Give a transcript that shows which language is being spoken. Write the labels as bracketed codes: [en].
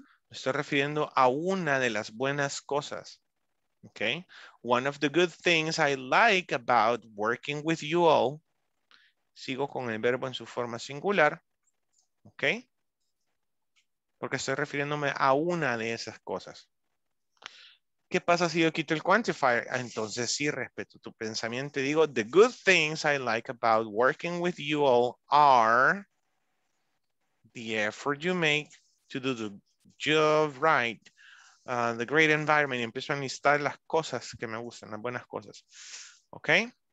[es] Me estoy refiriendo a una de las buenas cosas. [en] Okay. One of the good things I like about working with you all. [es] Sigo con el verbo en su forma singular. Okay. Porque estoy refiriéndome a una de esas cosas. ¿Qué pasa si yo quito el quantifier? Entonces sí, respeto tu pensamiento. Digo, [en] the good things I like about working with you all are the effort you make to do the job right, the great environment, [es] y empiezo a enlistar las cosas que me gustan, las buenas cosas. [en] Okay?